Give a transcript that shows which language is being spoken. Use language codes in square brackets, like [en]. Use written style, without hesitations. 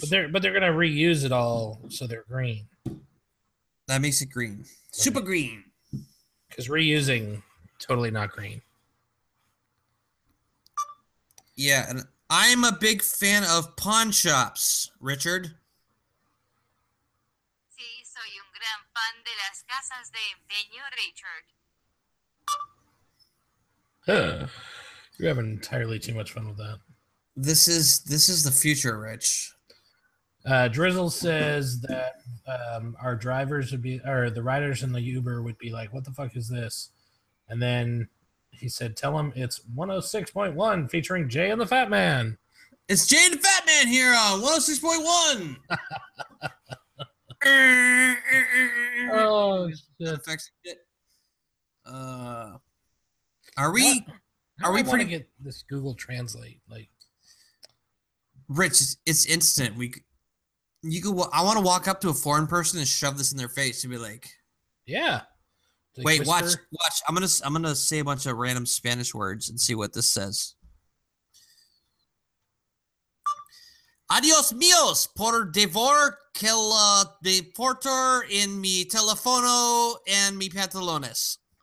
[en] But they're going to reuse it all so they're green. That makes it green. Super green. Because reusing, totally not green. Yeah, and I'm a big fan of pawn shops, Richard. [es] Sí, soy un gran fan de las casas de empeño, Richard. [en] You're having entirely too much fun with that. This is the future, Rich. Drizzle says that our drivers would be, or the riders in the Uber would be like, what the fuck is this? And then he said, tell him it's 106.1 featuring Jay and the Fat Man. It's Jay and the Fat Man here on 106.1. Oh, shit. Are we pretty good? This Google Translate, like, Rich, it's instant. I want to walk up to a foreign person and shove this in their face and be like, yeah. Like, wait, watch. I'm gonna say a bunch of random Spanish words and see what this says. [es] Adios míos por devor que la de porter en mi teléfono en mi pantalones.